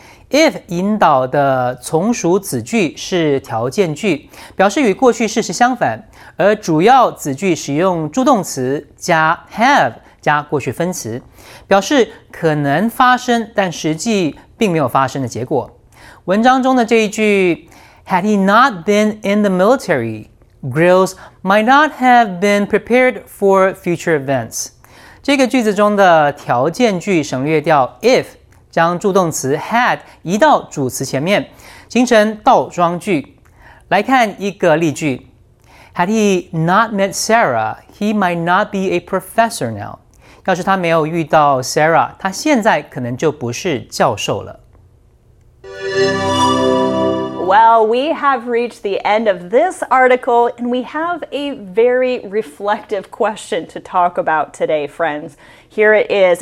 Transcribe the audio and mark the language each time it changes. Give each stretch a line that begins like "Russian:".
Chinese: If 引导的从属子句是条件句， 表示与过去事实相反， 而主要子句使用助动词 加 have 加过去分词， 表示可能发生， 但实际并没有发生的结果。文章中的这一句，
English: Had he not been in the military, Grylls might not have been prepared for future events.
Chinese: 这个句子中的条件句省略掉 if， 将助动词 had 移到主词前面， 形成倒装句。来看一个例句，
English: Had he not met Sarah, he might not be a professor now.
Chinese: 要是他没有遇到Sarah， 他现在可能就不是教授了。
English: Well, we have reached the end of this article, and we have a very reflective question to talk about today, friends. Here it is.